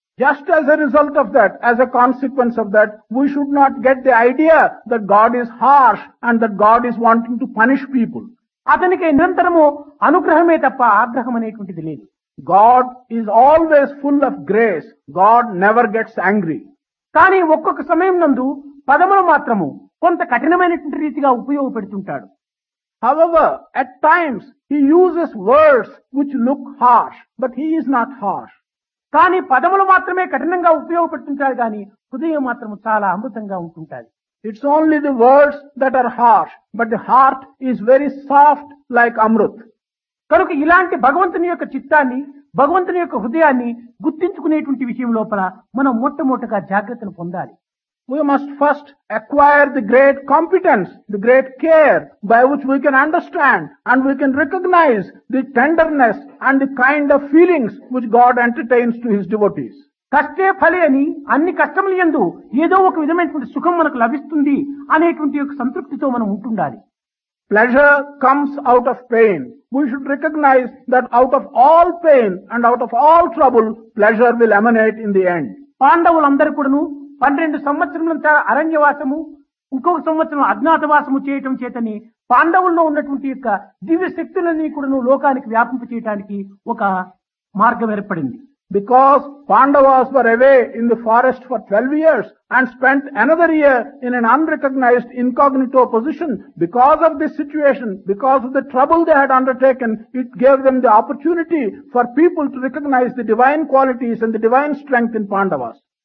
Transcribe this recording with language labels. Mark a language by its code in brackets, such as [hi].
[en] Just as a result of that, as a consequence of that, we should not get the idea that God is harsh and that God is wanting to punish people. [te] అతనికి నిరంతరము అనుగ్రహమే తప్ప ఆగ్రహం అనేటువంటిది లేదు. [en] God is always full of grace. God never gets angry. [te] కానీ ఒక్కొక్క సమయమునందు పదములు మాత్రము కొంత కఠినమైనటువంటి రీతిగా ఉపయోగపడుతుంటాడు. [en] However, at times he uses words which look harsh, but he is not harsh. [te] కానీ పదములు మాత్రమే కఠినంగా ఉపయోగపడుతుంటాడు, కానీ హృదయం మాత్రం చాలా అమృతంగా ఉంటుంటాడు. [en] It's only the words that are harsh, but the heart is very soft like amrut. [te] కనుక ఇలాంటి భగవంతుని యొక్క చిత్తాన్ని భగవంతుని యొక్క హృదయాన్ని గుర్తించుకునేటువంటి విషయం లోపల మనం మొట్టమొదటగా జాగ్రత్తను పొందాలి. [en] We must first acquire the great competence, the great care by which we can understand and we can recognize the tenderness and the kind of feelings which God entertains to his devotees. [te] కష్ట ఫలేని అన్ని కష్టములయందు ఏదో ఒక విధమైనటువంటి సుఖం మనకు లభిస్తుంది అనేటువంటి ఒక సంతృప్తితో మనం ఉంటుండాలి. [en] Pleasure comes out of pain. We should recognize that out of all pain and out of all trouble, pleasure will emanate in the end. [te] పాండవులందరూ కూడాను 12 సంవత్సరముల అరణ్యవాసము ఇంకొక సంవత్సరం అజ్ఞాతవాసము చేయటం చేతని పాండవుల్లో ఉన్నటువంటి యొక్క దివ్య శక్తులన్నీ కూడా లోకానికి వ్యాపింప చేయడానికి ఒక మార్గం ఏర్పడింది. [en] Because Pandavas were away in the forest for 12 years and spent another year in an unrecognised incognito position because of this situation because of the trouble they had undertaken it gave them the opportunity for people to recognise the divine qualities and the divine strength in Pandavas.